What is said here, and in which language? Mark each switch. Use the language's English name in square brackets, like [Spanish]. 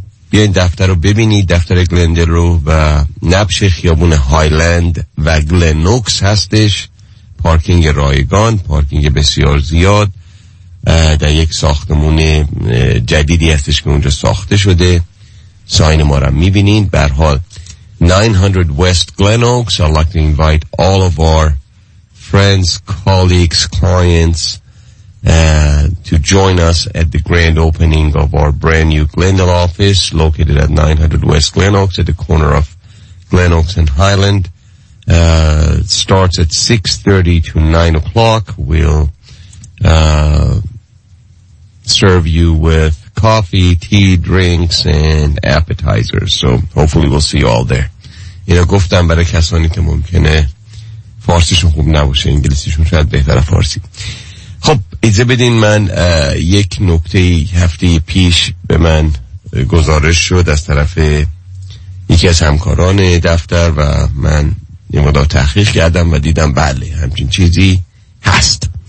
[Persian] بیاین دفتر رو ببینید، دفتر گلندل رو و نبش خیابون هایلند و گلنوکس هستش. پارکینگ رایگان، پارکینگ بسیار زیاد، در یک ساختمون جدیدی هستش که اونجا ساخته شده. ساین ما رو میبینید. به هر حال 900 West Glen Oaks. [English] I'd like to invite all of our friends, colleagues, clients to join us at the grand opening of our brand new Glendale office located at 900 West Glen Oaks at the corner of Glen Oaks and Highland. It starts at 6:30 to 9 o'clock. We'll serve you with coffee, tea, drinks, and appetizers. So hopefully we'll see you all there. [Persian] اینا گفتم برای کسانی که ممکنه فارسیشون خوب نباشه، انگلیسیشون شاید بهتره فارسی. خب اجازه بدین من یک نکته، هفته پیش به من گزارش شد از طرف یکی از همکاران دفتر و من یه مقدار تحقیق کردم و دیدم بله همچین چیزی هست.